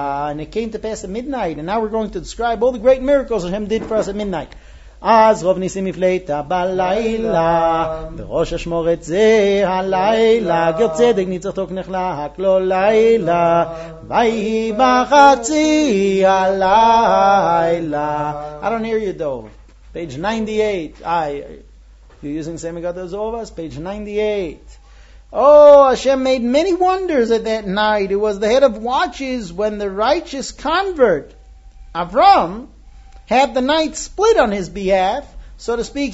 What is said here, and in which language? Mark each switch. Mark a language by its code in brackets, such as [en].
[en] And it came to pass at midnight. And now we're going to describe all the great miracles Hashem did for us at midnight. [he] אז רוב ניסים יפלטה בלילה, בראש השמור את זה הלילה, גר צדק ניצח תוק נחלק לו לילה, ויהי בחצי הלילה. [en] I don't hear you, Dov. Page 98. You're using the same God as all of us? Page 98. Oh, Hashem made many wonders at that night. It was the head of watches when the righteous convert, Avram, had the night split on his behalf, so to speak.